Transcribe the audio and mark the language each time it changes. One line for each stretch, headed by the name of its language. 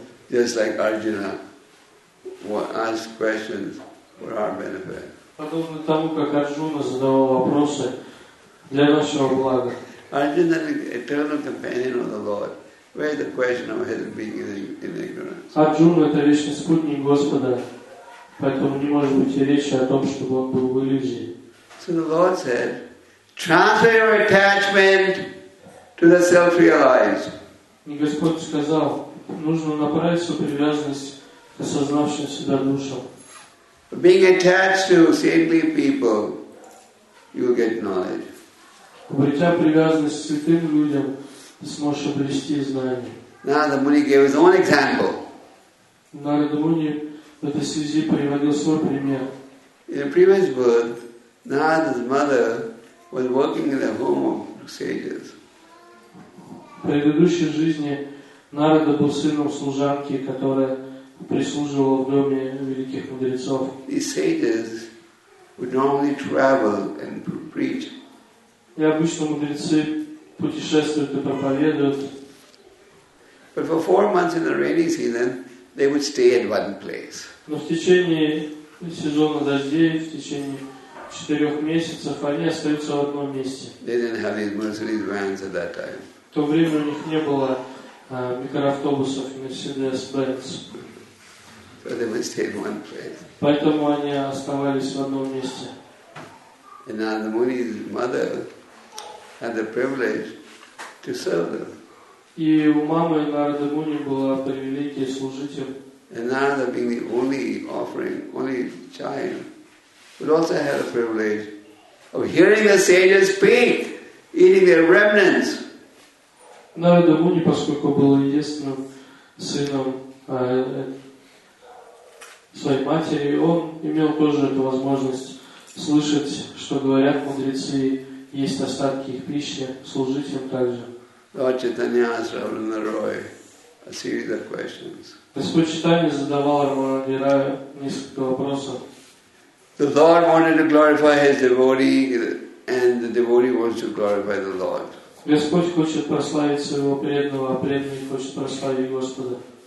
English: Just like Arjuna asked questions for our benefit.
Russian: Подобно тому, как Арджуна задавал вопросы для нашего блага.
English: Arjuna, the eternal companion of the Lord, where the question of his being in ignorance.
Russian: Arjuna, это вечный спутник Господа, поэтому не может быть речи о том, чтобы он был в иллюзии.
English: So the Lord said, transfer your attachment to the self-realized.
Russian: И Господь сказал. Нужно направить свою привязанность к осознавшим себя душам.
English: Being attached to saintly people, you will get knowledge.
Russian: Обретя привязанность к святым людям, ты сможешь обрести знания.
English: Narada Muni gave his own example.
Russian: Narada Muni в этой связи приводил свой пример.
English: In a previous birth, Narada's mother was working in the home of sages.
Russian: В предыдущей жизни Нарада был сыном служанки, которая прислуживала в доме великих мудрецов.
English: The sages would normally travel and preach.
Russian: И обычно мудрецы путешествуют и проповедуют.
English: But for 4 months in the rainy season, they would stay at one place.
Russian: Но в течение сезона дождей, в течение 4 месяцев, они остаются в одном месте.
English: They didn't have these Mercedes vans at that time.
Russian: В то время у них не было микроавтобусов Mercedes-Benz.
English: So they would stay in one place.
Russian: Поэтому они оставались в одном месте.
English: And Narada Muni's mother had the privilege to serve them.
Russian: И у мамы Нарада Муни была привилегия служить им.
English: And Narada, being the only offering, only child, would also have the privilege of hearing the sages speak, eating their remnants.
Russian: Нарада Муни, поскольку был единственным сыном своей матери, он имел тоже эту возможность слышать, что говорят мудрецы, есть остатки их пищи, служить им также.
English: Lord Chaitanya asked Ravana Roy a series of questions.
Russian: Господь Читания задавал Рамарани Раю несколько вопросов.
English: The Lord wanted to glorify his devotee, and the devotee wants to glorify the Lord.
Russian: Господь хочет прославить своего преданного, а преданный хочет прославить Господа.